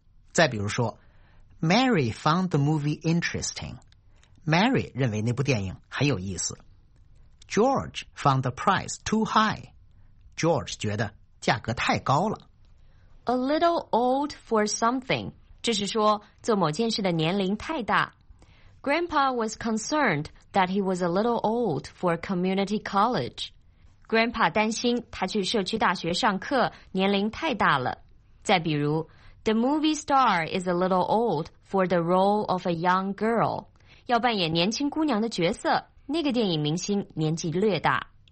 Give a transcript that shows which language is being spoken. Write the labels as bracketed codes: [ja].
[zh] 再比如说 [en] Mary found the movie interesting. [zh] Mary 认为那部电影很有意思。 [en] George found the price too high. [zh] George 觉得价格太高了。 [en] A little old for something. [zh] 这是说做某件事的年龄太大。 [en] Grandpa was concerned that he was a little old for community college. [zh] Grandpa 担心他去社区大学上课年龄太大了。再比如 [en] The movie star is a little old for the role of a young girl. [zh] 要扮演年轻姑娘的角色，那个电影明星年纪略大。